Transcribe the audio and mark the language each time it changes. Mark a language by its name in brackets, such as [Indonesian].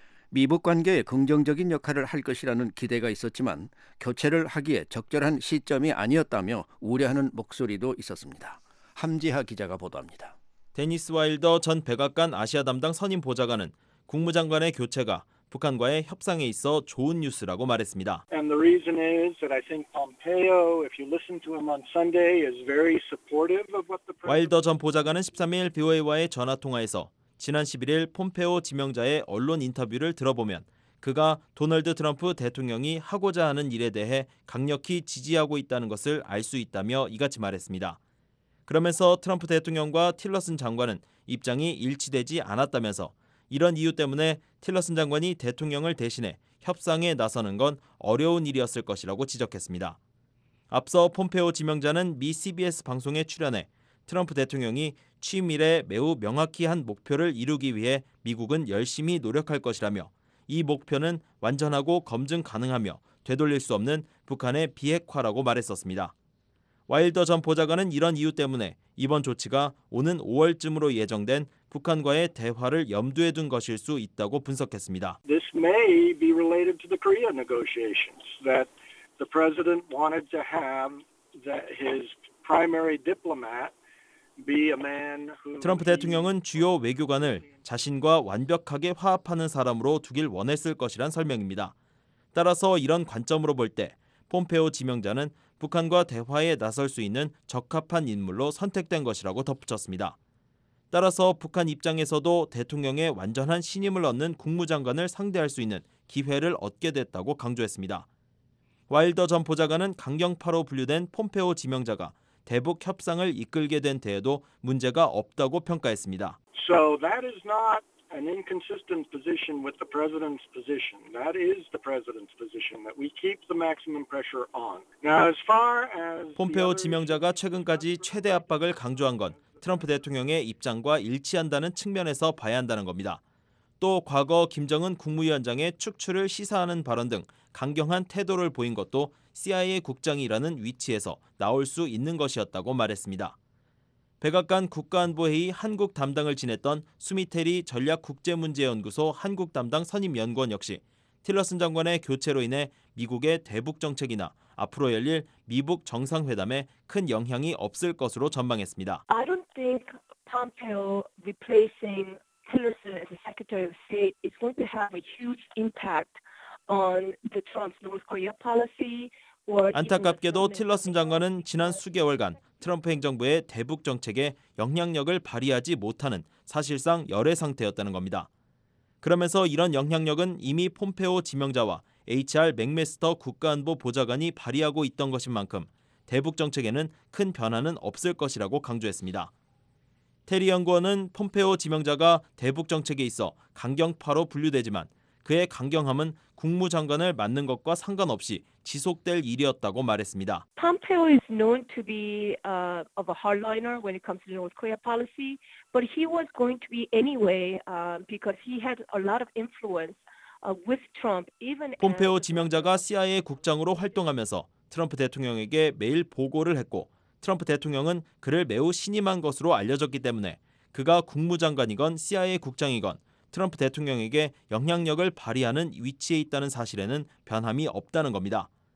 [Korean] 미북 관계에 긍정적인 역할을 할 것이라는 기대가 있었지만 교체를 하기에 적절한 시점이 아니었다며 우려하는 목소리도 있었습니다. 함지하 기자가 보도합니다. 데니스 와일더 전 백악관 아시아 담당 선임 보좌관은 국무장관의 교체가 북한과의 협상에 있어 좋은 뉴스라고 말했습니다. [English] And the reason is that I think Pompeo, if you listen to him on Sunday, is very supportive of what the president. [Korean] 와일더 전 보좌관은 13일 BOA와의 전화 통화에서 지난 11일 폼페오 지명자의 언론 인터뷰를 들어보면 그가 도널드 트럼프 대통령이 하고자 하는 일에 대해 강력히 지지하고 있다는 것을 알 수 있다며 이같이 말했습니다. 그러면서 트럼프 대통령과 틸러슨 장관은 입장이 일치되지 않았다면서 이런 이유 때문에 틸러슨 장관이 대통령을 대신해 협상에 나서는 건 어려운 일이었을 것이라고 지적했습니다. 앞서 폼페오 지명자는 미 CBS 방송에 출연해 트럼프 대통령이 취임 이래 매우 명확히 한 목표를 이루기 위해 미국은 열심히 노력할 것이라며 이 목표는 완전하고 검증 가능하며 되돌릴 수 없는 북한의 비핵화라고 말했었습니다. 와일더 전 보좌관은 이런 이유 때문에 이번 조치가 오는 5월쯤으로 예정된 북한과의 대화를 염두에 둔 것일 수 있다고 분석했습니다. [English] This may be related to the Korea negotiations that the president wanted to have that his primary diplomat be a man who [Korean] 트럼프 대통령은 주요 외교관을 자신과 완벽하게 화합하는 사람으로 두길 원했을 것이란 설명입니다. 따라서 이런 관점으로 볼 때 폼페오 지명자는 북한과 대화에 나설 수 있는 적합한 인물로 선택된 것이라고 덧붙였습니다. 따라서 북한 입장에서도 대통령의 완전한 신임을 얻는 국무장관을 상대할 수 있는 기회를 얻게 됐다고 강조했습니다. 와일더 전 보좌관은 강경파로 분류된 폼페오 지명자가 대북 협상을 이끌게 된 데에도 문제가 없다고 평가했습니다. [English] So that is not an inconsistent position with the president's position. That is the president's position that we keep the maximum pressure on. Now as far as [Korean] 폼페오 지명자가 최근까지 최대 압박을 강조한 건 트럼프 대통령의 입장과 일치한다는 측면에서 봐야 한다는 겁니다. 또 과거 김정은 국무위원장의 축출을 시사하는 발언 등 강경한 태도를 보인 것도 CIA 국장이라는 위치에서 나올 수 있는 것이었다고 말했습니다. 백악관 국가안보회의 한국 담당을 지냈던 수미테리 전략국제문제연구소 한국 담당 선임연구원 역시 틸러슨 장관의 교체로 인해 미국의 대북정책이나 앞으로 열릴 미북 정상회담에 큰 영향이 없을 것으로 전망했습니다. [English] I don't think Pompeo replacing Tillerson as the Secretary of State is going to have a huge impact on the Trump's North Korea policy. [Korean] 안타깝게도 틸러슨 장관은 지난 수개월간 트럼프 행정부의 대북 정책에 영향력을 발휘하지 못하는 사실상 열의 상태였다는 겁니다. 그러면서 이런 영향력은 이미 폼페오 지명자와 HR 맥메스터 국가안보 보좌관이 발휘하고 있던 것인 만큼 대북 정책에는 큰 변화는 없을 것이라고 강조했습니다. 테리 연구원은 폼페오 지명자가 대북 정책에 있어 강경파로 분류되지만 그의 강경함은 국무장관을 맡는 것과 상관없이 지속될 일이었다고 말했습니다. [English] Pompeo is known to be of a hardliner when it comes to North Korea policy, but he was going to be anyway because he had a lot of influence with Trump. Even [Korean] 폼페오 지명자가 CIA 국장으로 활동하면서 트럼프 대통령에게 매일 보고를 했고 트럼프 대통령은 그를 매우 신임한 것으로 알려졌기 때문에 그가 국무장관이건 CIA 국장이건 트럼프 대통령에게 영향력을 발휘하는 위치에 있다는 사실에는 변함이 없다는 겁니다.